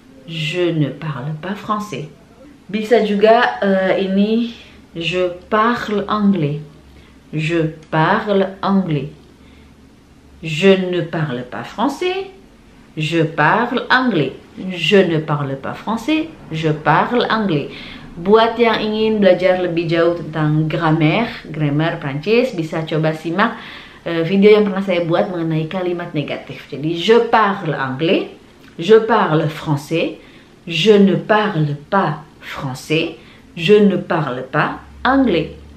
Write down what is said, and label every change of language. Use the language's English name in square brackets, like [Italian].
[French] Je ne parle pas français. [Indonesian] Bisa juga ini [French] je parle anglais. Je parle anglais. Je ne parle pas français. Je parle anglais. Je ne parle pas français, je parle anglais. [Indonesian] Buat yang ingin belajar lebih jauh tentang grammar Prancis, bisa coba simak video yang pernah saya buat mengenai kalimat negatif. [French] Jadi, je parle anglais, je parle français, je ne parle pas français, je ne parle pas anglais.